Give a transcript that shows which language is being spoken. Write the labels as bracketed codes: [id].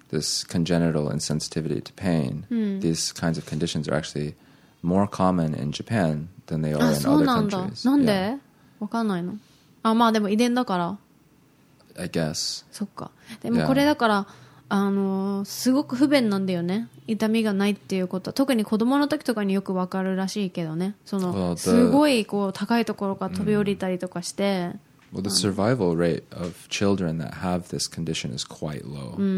[en] This congenital insensitivity to pain, these kinds of conditions are actually more common in Japan than they are in other countries. [ja] なんで？わかんないの？あ、まあでも遺伝だから。 [en] I guess. [ja] そっか。でもこれだから、yeah. すごく不便なんだよね。痛みがないっていうこと。特に子供の時とかによくわかるらしいけどね。その、すごいこう高いところから飛び降りたりとかして。 [en] Well, the survival rate of children that have this condition is quite low.